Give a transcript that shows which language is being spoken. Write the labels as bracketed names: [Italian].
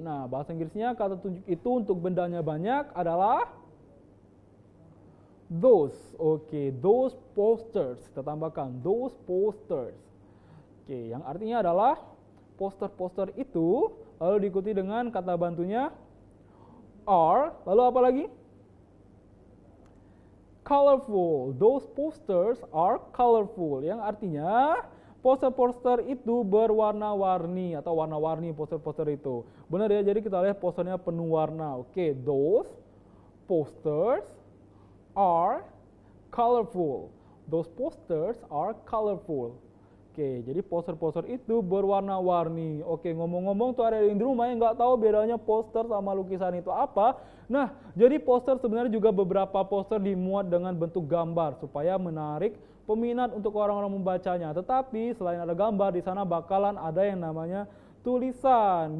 [Indonesian] Nah, bahasa Inggrisnya kata tunjuk itu untuk bendanya banyak adalah those. [English] Oke, okay. Those posters. [Indonesian] Kita tambahkan [English] those posters. Oke, okay. [Indonesian] Yang artinya adalah poster-poster itu, lalu diikuti dengan kata bantunya are, lalu apa lagi? [English] Colorful. Those posters are colorful. [Indonesian] Yang artinya poster-poster itu berwarna-warni atau warna-warni poster-poster itu. Benar ya, jadi kita lihat posternya penuh warna. Oke, okay. [English] Those posters are colorful. Those posters are colorful. [Indonesian] Oke, jadi poster-poster itu berwarna-warni. Oke, ngomong-ngomong tuh ada yang di rumah yang nggak tahu bedanya poster sama lukisan itu apa. Nah, jadi poster sebenarnya juga beberapa poster dimuat dengan bentuk gambar supaya menarik peminat untuk orang-orang membacanya. Tetapi selain ada gambar, di sana bakalan ada yang namanya tulisan.